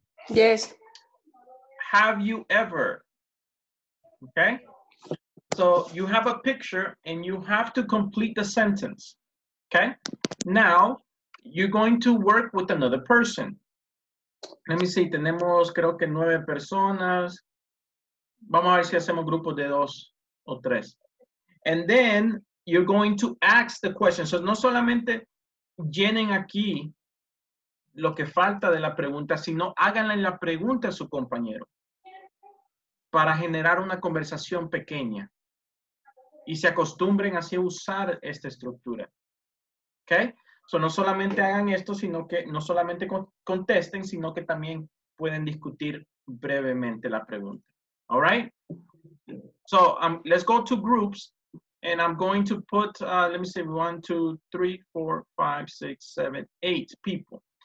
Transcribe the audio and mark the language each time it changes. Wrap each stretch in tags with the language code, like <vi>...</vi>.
<en>Yes. Have you ever? Okay. So you have a picture and you have to complete the sentence. Okay. Now you're going to work with another person. Let me see,</en> <es>tenemos creo que 9 personas. Vamos a ver si hacemos grupos de 2 o 3.</es> <en>And then you're going to ask the question.</en> <es>So no solamente llenen aquí lo que falta de la pregunta, sino háganle la pregunta a su compañero para generar una conversación pequeña. Y se acostumbren así a usar esta estructura. Okay? So no solamente hagan esto, sino que no solamente contesten, sino que también pueden discutir brevemente la pregunta.</es> <en>All right? So let's go to groups. And I'm going to put, let me see, 1, 2, 3, 4, 5, 6, 7, 8 people.</en>